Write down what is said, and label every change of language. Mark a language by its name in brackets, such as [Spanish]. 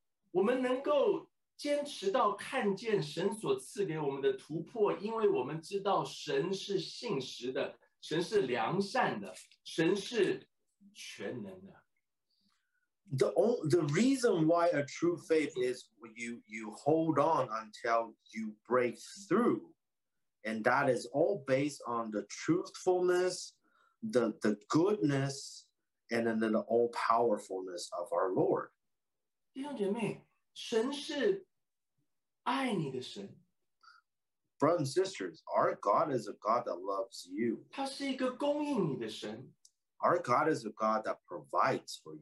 [Chinese] 我们能够坚持到看见神所赐给我们的突破，因为我们知道神是信实的。神是良善的，神是全能的。 [English] The reason why a true faith is you hold on until you break through, and that is all based on the truthfulness, the goodness, and then the all powerfulness of our Lord. [Chinese] 弟兄姐妹，神是爱你的神。 [English] Brothers and sisters, our God is a God that loves you. [Chinese] 他是一个供应你的神， [English] Our God is a God that provides for